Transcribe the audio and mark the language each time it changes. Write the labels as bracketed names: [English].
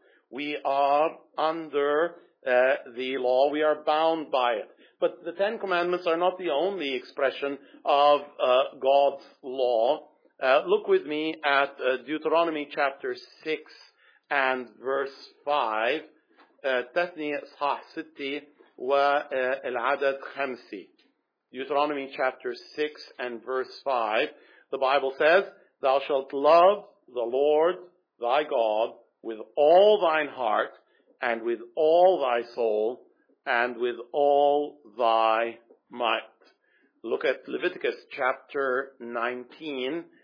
[English] We are under the law. We are bound by it. But the Ten Commandments are not the only expression of God's law. Look with me at Deuteronomy chapter 6 and verse 5. [Arabic] تثني إصحاح ستة والعدد خمسة. [English] Deuteronomy chapter 6 and verse 5. The Bible says, thou shalt love the Lord thy God with all thine heart and with all thy soul and with all thy might. Look at Leviticus chapter 19.